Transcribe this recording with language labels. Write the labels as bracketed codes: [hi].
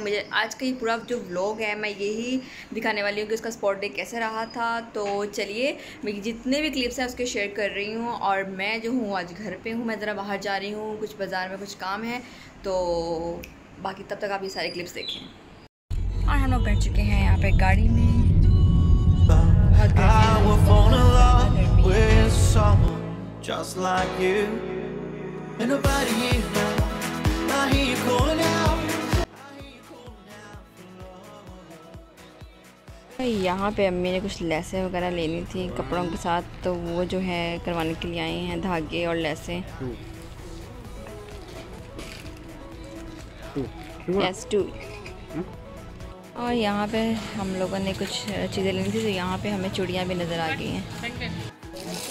[hi] मुझे आज का ही पूरा जो व्लॉग है मैं यही दिखाने वाली हूँ कि उसका स्पॉट डे कैसा रहा था। तो चलिए, मेरी जितने भी क्लिप्स हैं उसके शेयर कर रही हूँ। और मैं जो हूँ आज घर पर हूँ, मैं ज़रा बाहर जा रही हूँ, कुछ बाज़ार में कुछ काम है, तो बाकी तब तक आप ये सारे क्लिप्स देखें। और हम लोग बैठ चुके हैं यहाँ पर गाड़ी में। [en] I will fall in love with someone just like you. And nobody here now. I hear you calling out. I hear you calling out for love. [hi] यहाँ पे अम्मी ने कुछ लेसें वगैरह लेनी थी कपड़ों के साथ, तो वो जो है करवाने के लिए आई हैं, धागे और लेसें। [en] Yes, two. [hi] और यहाँ पे हम लोगों ने कुछ चीज़ें लेनी थी, तो यहाँ पे हमें चूड़ियाँ भी नज़र आ गई हैं।